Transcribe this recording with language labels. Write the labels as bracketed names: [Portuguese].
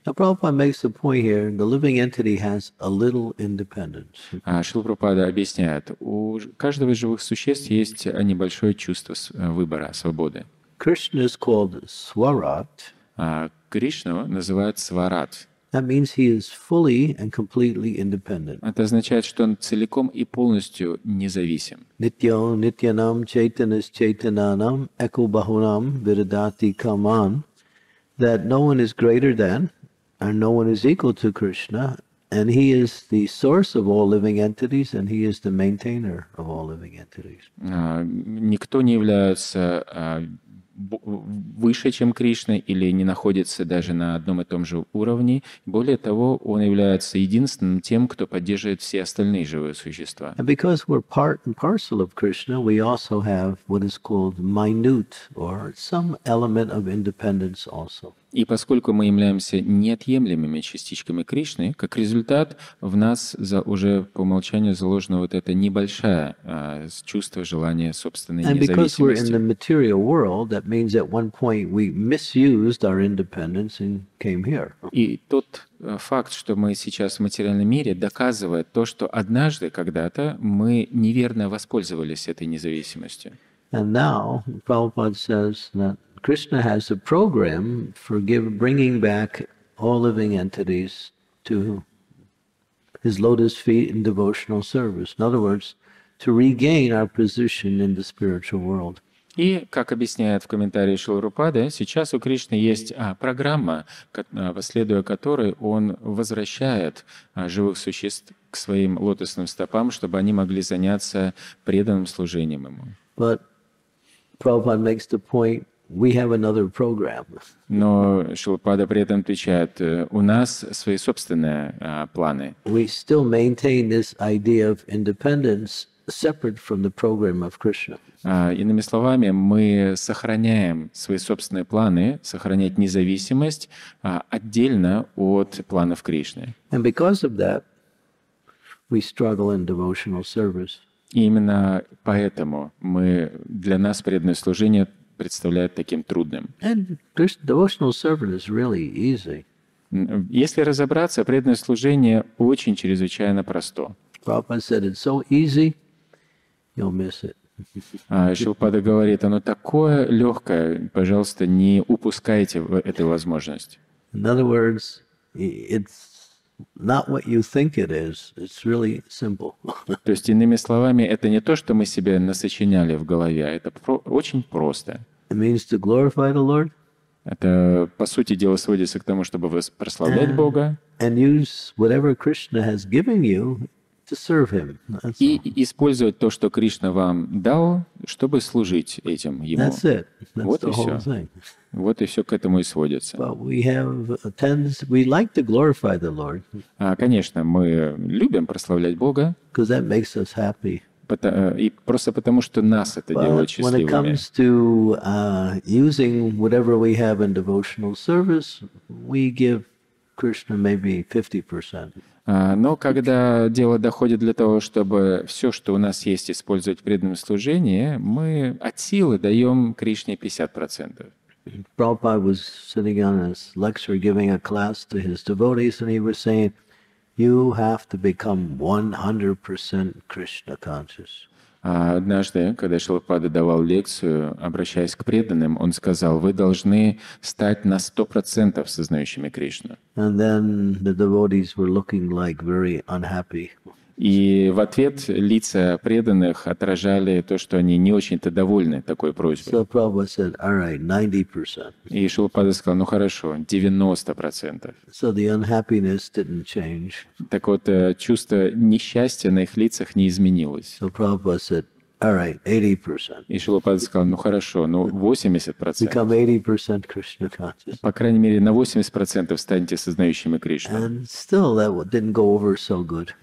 [English] Now, Prabhupada makes the point here: the living entity has a little independence. [Russian] Шрила Прабхупада объясняет: у каждого из живых существ есть небольшое чувство выбора, свободы. [English] Krishna is called Swarat. [Russian] Кришну называют Сварат. [English] That means he is fully and completely independent. [Russian] Это означает, что он целиком и полностью независим. [Sanskrit] Nityo nityanam chaitanas chaitananam ekubahunam viradati kaman. [English] That no one is greater than, and no one is equal to Krishna, and he is the source of all living entities, and he is the maintainer of all living entities. [Russian] Никто не является выше, чем Кришна, или не находится даже на одном и том же уровне. Более того, он является единственным тем, кто поддерживает все остальные живые существа. [English] And because we're part and parcel of Krishna, we also have what is called minute, or some element of independence also. [Russian] И поскольку мы являемся неотъемлемыми частичками Кришны, как результат, в нас уже по умолчанию заложено вот это небольшое чувство, желание собственной независимости. [English] And because we're in the material world, that means at one point we misused our independence and came here. [Russian] И тот факт, что мы сейчас в материальном мире, доказывает то, что однажды, когда-то, мы неверно воспользовались этой независимостью. [English] And now Prabhupada says that Krishna has a program for bringing back all living entities to his lotus feet in devotional service. In other words, to regain our position in the spiritual world. [Russian] И, как объясняет в комментарии Шрилы Прабхупады, сейчас у Кришны есть программа, следуя которой он возвращает живых существ к своим лотосным стопам, чтобы они могли заняться преданным служением ему. [English] But Prabhupada makes the point, we have another program. [Russian] Но Шрила Прабхупада при этом отвечает, у нас свои собственные планы. [English] We still maintain this idea of independence separate from the program of Krishna. [Russian] Иными словами, мы сохраняем свои собственные планы, сохранять независимость отдельно от планов Кришны. [English] And because of that, we struggle in devotional service. [Russian] И именно поэтому мы, для нас преданное служение представляет таким трудным. [English] And Krishna, devotional service is really easy. [Russian] Если разобраться, преданное служение очень чрезвычайно просто. [English] Prabhupada said it's so easy, you'll miss it. [Russian] Шилпада говорит, оно такое легкое, пожалуйста, не упускайте эту возможность. [English] In other words, it's not what you think it is. It's really simple. [Russian] То есть, иными словами, это не то, что мы себе насочиняли в голове, это очень просто. [English] It means to glorify the Lord. [Russian] Это, по сути дела, сводится к тому, чтобы прославлять Бога. [English] And use whatever Krishna has given you to serve him. That's [Russian] и использовать то, что Кришна вам дал, чтобы служить этим ему. [English] That's it. That's [Russian] вот [English] the [Russian] и [English] whole [Russian] все. [English] Thing. [Russian] Вот и все к этому и сводится. [English] But we have a tendency, we like to glorify the Lord. [Russian] Конечно, мы любим прославлять Бога. [English] Because that makes us happy. [Russian] И просто потому, что нас это [English] But [Russian] делает счастливыми. [English] When it comes to using whatever we have in devotional service, we give Krishna maybe 50%. [Russian] Но когда дело доходит для того, чтобы все, что у нас есть, использовать в преданном служении, мы от силы даем Кришне 50%. [English] Prabhupada was sitting on his lecture, giving a class to his devotees, and he was saying, "You have to become 100% Krishna conscious." [Russian] Однажды, когда Шрила Прабхупада давал лекцию, обращаясь к преданным, он сказал, вы должны стать на 100% сознающими Кришну. [English] And then the devotees were looking like very unhappy. [Russian] И в ответ лица преданных отражали то, что они не очень-то довольны такой просьбой. [English] So Prabhupada said, all right, 90%. [Russian] И Шрила Прабхупада сказал, ну хорошо, 90%. [English] So the unhappiness didn't change. [Russian] Так вот, чувство несчастья на их лицах не изменилось. [English] So Prabhupada said, all right, 80%. [Russian] И Шрила Прабхупада сказал, ну хорошо, ну 80%. [English] Become 80% Krishna conscious. [Russian] По крайней мере, на 80% станьте сознающими Кришну. [English] And still that didn't go over so good.